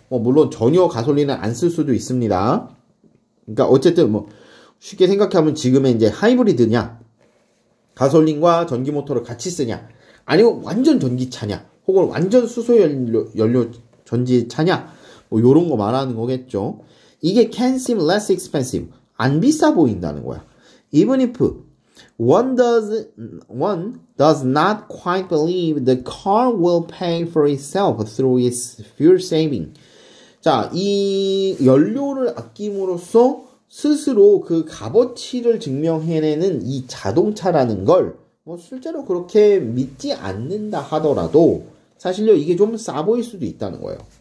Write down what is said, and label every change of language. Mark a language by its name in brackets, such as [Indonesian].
[Korean] 물론 전혀 가솔린을 안쓸 수도 있습니다. 그러니까 어쨌든 뭐 쉽게 생각하면 지금의 이제 하이브리드냐, 가솔린과 전기 모터를 같이 쓰냐, 아니면 완전 전기차냐, 혹은 완전 수소 연료 전지 차냐, 뭐 이런 거 말하는 거겠죠. 이게 [English] can seem less expensive, [Korean] 안 비싸 보인다는 거야. [English] Even if One does not quite believe the car will pay for itself through its fuel saving. [Korean] 자, 이 연료를 아낌으로써 스스로 그 값어치를 증명해내는 이 자동차라는 걸뭐 실제로 그렇게 믿지 않는다 하더라도 사실요, 이게 좀싸 보일 수도 있다는 거예요.